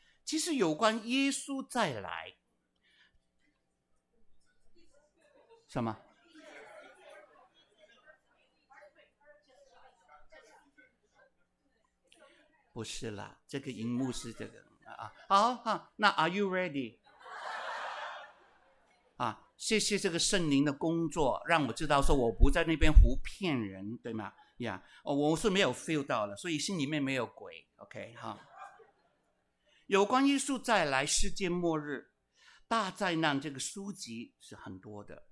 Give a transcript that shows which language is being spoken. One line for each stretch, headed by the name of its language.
Chinese: 其实有关耶稣再来，什么？不是啦，这个荧幕是这个啊。好哈、啊，那
English: Are you ready？
Chinese: 啊，谢谢这个圣灵的工作，让我知道说我不在那边胡骗人，对吗？呀、yeah, ，我是没有 feel 到了，所以心里面没有鬼。 OK， 好。有关耶稣再来、世界末日、大灾难这个书籍是很多的。